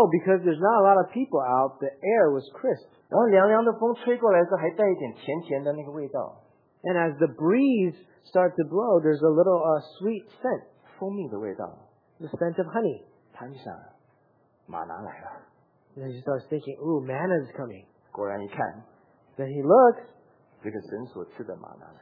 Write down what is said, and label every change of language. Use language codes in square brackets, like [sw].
[en] because there's not a lot of people out, the air was crisp. [zh] 然后凉凉的风吹过来的时候，还带一点甜甜的那个味道。And [en] as the breeze starts to blow, there's a little sweet scent, [zh] 蜂蜜的味道，the [en] scent of honey. [zh] 盘山。 [en] Then he starts thinking, ooh, manna is coming. [zh] 果然一看, [en] then he looks. [zh] 这个神所赐的玛拿,